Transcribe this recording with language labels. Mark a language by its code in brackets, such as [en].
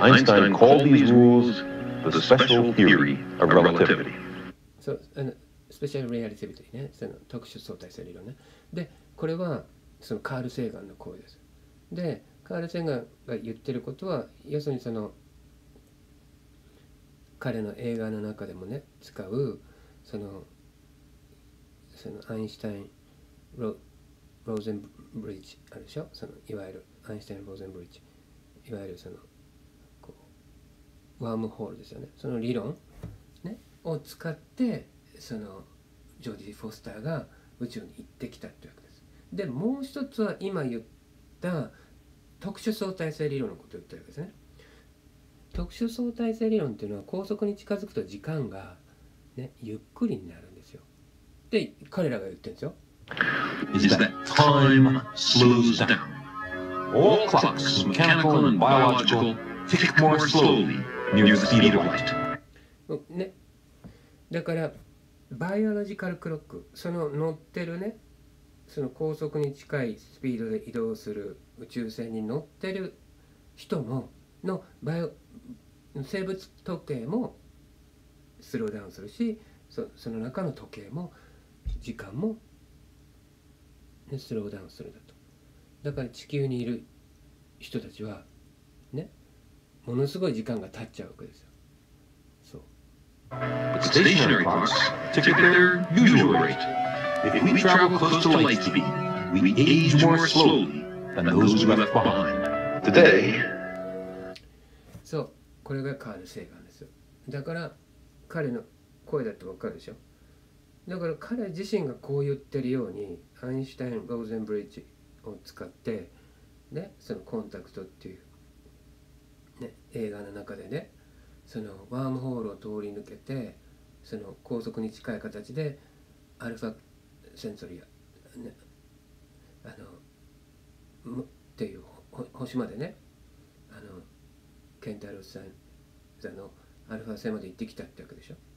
[en] アインシュタイン called these rules the special theory of relativity。 [ja] そう、スペシャル・レアリティビティね、その特殊相対性理論ね。で、これはそのカール・セイガンの行為です。で、カール・セイガンが言ってることは、要するにその彼の映画の中でもね使うそのアインシュタイン ローゼンブリッジあるでしょ、そのいわゆるアインシュタインローゼンブリッジ、いわゆるそのこうワームホールですよね、その理論、ね、を使ってそのジョディ・フォスターが宇宙に行ってきたというわけです。でもう一つは今言った特殊相対性理論のことを言ったわけですね。特殊相対性理論っていうのは、高速に近づくと時間がね、ゆっくりになるんですよ。で、彼らが言ってるんですよ。 [en] Is that time slows down? All clocks, mechanical and biological, tick more slowly near the speed of light. [ja] ね。だから、バイオロジカルクロック、その乗ってるね、その高速に近いスピードで移動する宇宙船に乗ってる人も、のバイオ生物時計もスローダウンするし、 その中の時計も時間も、ね、スローダウンするんだと。だから地球にいる人たちはね、ものすごい時間が経っちゃうわけですよ。そう。 [en] Stationary clocks tick at their usual rate. If we travel close to light speed, we age more slowly than those who left behind. Today. [ja] そう、これがカール・セイガンですよ。だから彼の声だって分かるでしょ。だから彼自身がこう言ってるように、アインシュタイン・ローゼンブリッジを使ってね、そのコンタクトっていう、ね、映画の中でね、そのワームホールを通り抜けて、その高速に近い形でアルファセンソリア、ね、あのっていう星までね、あのケンタロスさんのアルファ星まで行ってきたってわけでしょ。